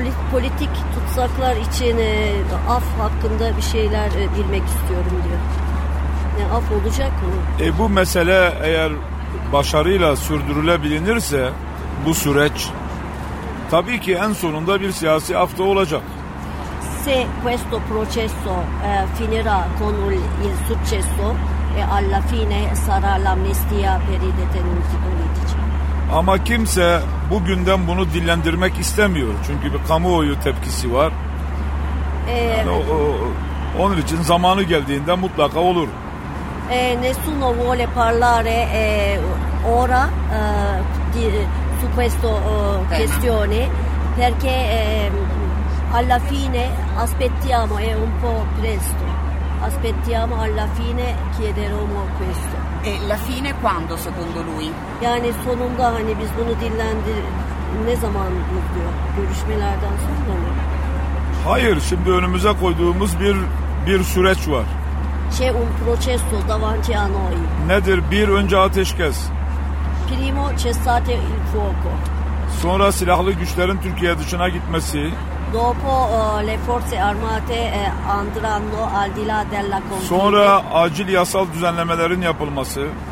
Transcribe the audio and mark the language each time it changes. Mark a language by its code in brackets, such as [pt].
[tr] Politik tutsaklar için af hakkında bir şeyler bilmek istiyorum diyor. Ne af olacak mı? Bu mesele eğer başarıyla sürdürülebilirse bu süreç tabii ki en sonunda bir siyasi af da olacak. [it] Se questo processo finirà con il successo e alla fine sarà l'amnistia per i detenuti politici. [tr] Ama kimse bugünden bunu dillendirmek istemiyor. Çünkü bir kamuoyu tepkisi var. Yani onun için zamanı geldiğinde mutlaka olur. [it] Nessuno vuole parlare ora su questo questione perché alla fine aspettiamo, è un po' presto. Aspettiamo alla fine, chiederemo questo. E la fine quando secondo lui? [tr] Yani sonunda hani biz bunu dillendir ne zaman diyor? Görüşmelerden sonra mı? Hayır, şimdi önümüze koyduğumuz bir süreç var. [it] C'è un processo davanti a noi. [tr] Nedir? Bir önce ateşkes. [it] Primo cessate il fuoco. [tr] Sonra silahlı güçlerin Türkiye dışına gitmesi. [it] Dopo le forze armate andranno al di là della confine. [tr] Sonra acil yasal düzenlemelerin yapılması.